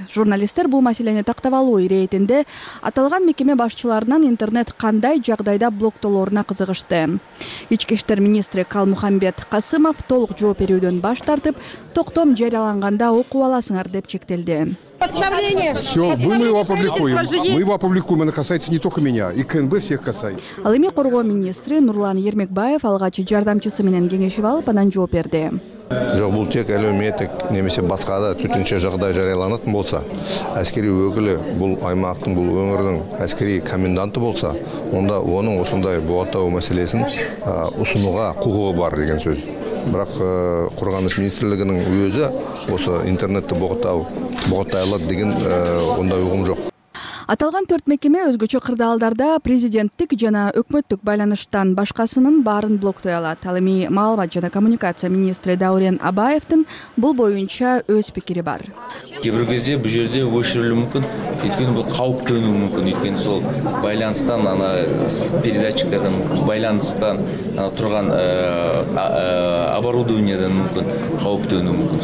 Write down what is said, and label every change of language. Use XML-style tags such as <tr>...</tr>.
<ky>Журналисттер бул маселени тактап алуу иретинде аталган мекеме башчыларынан интернет кандай жагдайда блоктолоруна кызыгышты. Ички иштер министри Калмухамбет Касымов толук жооп берүүдөн баш тартып, токтом жарыяланганда окуп аласыңар деп чектелди.</ky> <ru>Все, мы его опубликуем. Мы его опубликуем, это касается не только меня, и КНБ всех касается.</ru> <ky>Ал эми коргоо министри Нурлан Ермекбаев алгач жардамчысы менен кеңешип алып, анан жооп берди.</ky> <kk>Жок, бул тек әлеуметтік немесе басқа да төтенше жағдай жарияланатын болса, әскери өкілі бұл аймақтың, бұл өңірдің әскери коменданты болса, онда оның осындай бұғаттау мәселесін ұсынуға құқығы бар деген сөз. Бірақ Қорғаныс министрлігінің өзі осы интернетті бұғаттай алады деген ондай ұғым жоқ.</kk> <ky>Аталган 4 мекеме өзгөчө кырдаалдарда президенттик жана өкмөттүк байланыштан башкасынын баарын блоктой алат. Ал эми маалымат жана коммуникация министри Даурен Абаевдин бул боюнча өз пикири бар.</ky> <kk>Кээ бир кезде бул жерде өшүрүлүү мүмкүн, анткени бул кауп төнүү мүмкүн, анткени сол байланыштан ана передатчиктерден байланыштан турган оборудованиядан мүмкүн кауп төнүү мүмкүн.</kk>